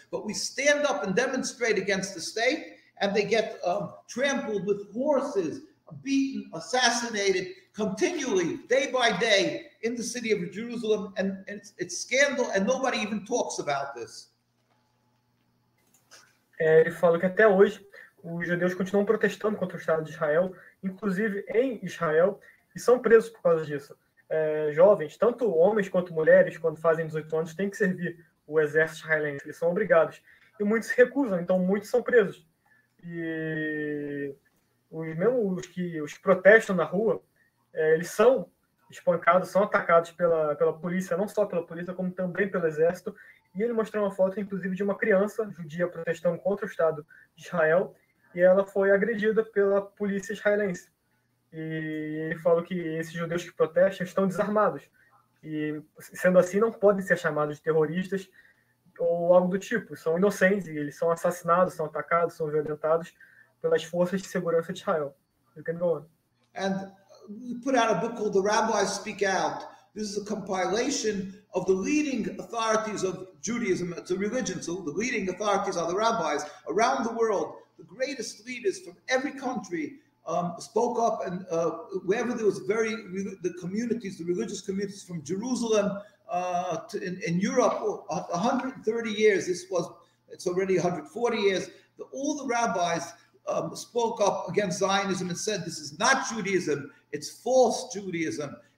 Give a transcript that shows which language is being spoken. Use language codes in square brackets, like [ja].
[en] But we stand up and demonstrate against the state, and they get trampled with horses, beaten, assassinated continually, day by day, in the city of Jerusalem. And it's scandal, and nobody even talks about this. [pt] Ele fala que até hoje os judeus continuam protestando contra o Estado de Israel, inclusive em Israel, e são presos por causa disso. É, jovens, tanto homens quanto mulheres, quando fazem 18 anos, têm que servir o exército israelense. Eles são obrigados. E muitos se recusam, então muitos são presos. E os que protestam na rua, eles são espancados, são atacados pela polícia, não só pela polícia, como também pelo exército. E ele mostrou uma foto, inclusive, de uma criança judia protestando contra o Estado de Israel, e ela foi agredida pela polícia israelense. E ele falou que esses judeus que protestam estão desarmados. E, sendo assim, não podem ser chamados de terroristas ou algo do tipo. São inocentes e eles são assassinados, são atacados, são violentados pelas forças de segurança de Israel. [en] You can go on. And we put out a book called The Rabbis Speak Out. This is a compilation of the leading authorities of Judaism. It's a religion, so the leading authorities are the rabbis around the world. The greatest leaders from every country spoke up, and wherever there was the religious communities from Jerusalem to in Europe, 130 years, it's already 140 years, all the rabbis spoke up against Zionism and said, this is not Judaism, it's false Judaism.